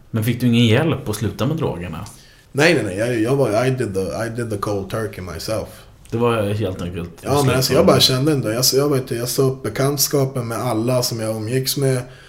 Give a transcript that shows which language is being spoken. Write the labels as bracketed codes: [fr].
[sv] Men fick du ingen hjälp att sluta med drogerna? Nej, jag var [en] I did the cold turkey myself. [sv] Det var helt enkelt. Ja, men alltså, jag bara kände ändå. Jag såg upp bekantskapen med alla som jag umgicks med.